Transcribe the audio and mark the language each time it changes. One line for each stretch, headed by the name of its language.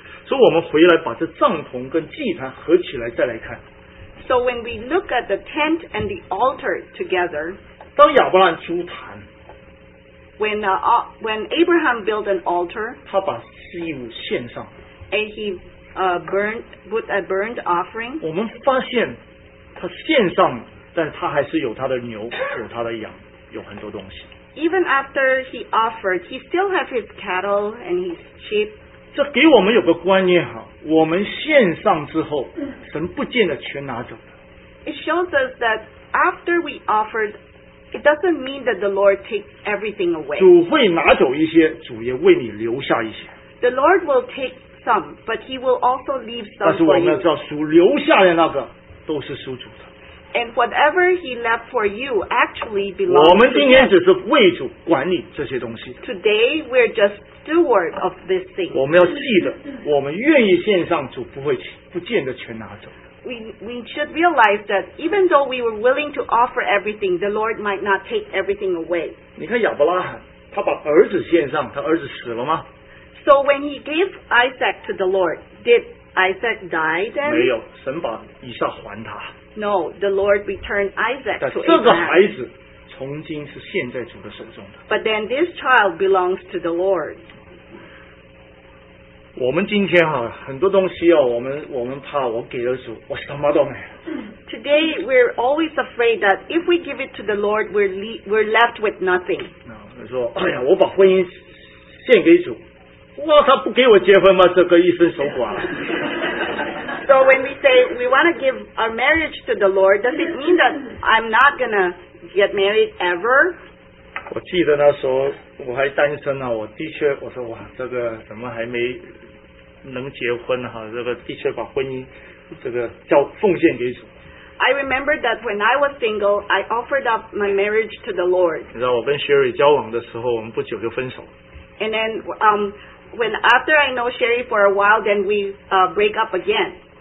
Chinese: So, 我们回来把这帐篷跟祭坛合起来再来看。
English: So, when we look at the tent and the altar together,
Chinese: 当亚伯兰筑坛
English: when Abraham built an altar,
Chinese: 他把祭物献上
English: and he put a burnt offering,
Chinese: 我们发现他献上，但他还是有他的牛，有他的羊，有很多东西。
English: Even after he offered, he still has his cattle and his sheep.
Chinese: 这给我们有个观念哈，我们献上之后，神不见得全拿走。
English: It shows us that after we offered, it doesn't mean that the Lord takes everything away.
Chinese: 主会拿走一些，主也为你留下一些。
English: The Lord will take some, but he will also leave some for you.
Chinese: 但是我们要知道，主留下的那个都是属主的。
English: And whatever he left for you actually belongs to him. Today, we're just stewards of this thing.
Chinese: 我们要记得，我们愿意献上，主不见得全拿走。
English: We should realize that even though we were willing to offer everything, the Lord might not take everything away.
Chinese: 你看亚伯拉罕，他把儿子献上，他儿子死了吗？
English: So when he gave Isaac to the Lord, did Isaac die then?
Chinese: 没有，神把以撒还他。
English: No, the Lord returned Isaac to Abraham.
Chinese: 这个孩子从今是献在主的手中的。
English: But then this child belongs to the Lord.
Chinese: 我们今天哈很多东西啊，我们怕我给了主，我什么都没有。
English: Today we're always afraid that if we give it to the Lord, we're left with nothing.
Chinese: 那说，哎呀，我把婚姻献给主，哇，他不给我结婚吗？这个一生守寡了。
English: So when we say we want to give our marriage to the Lord, does it mean that I'm not going to get married ever?
Chinese: 我记得那时候我还单身啊，我的确我说哇，这个怎么还没能结婚哈、啊？这个的确把婚姻这个交奉献给主。
English: I remember that when I was single, I offered up my marriage to the Lord.
Chinese: 你知道我跟 Sherry 交往的时候，我们不久就分手。
English: And then when after I know Sherry for a while, then we break up again.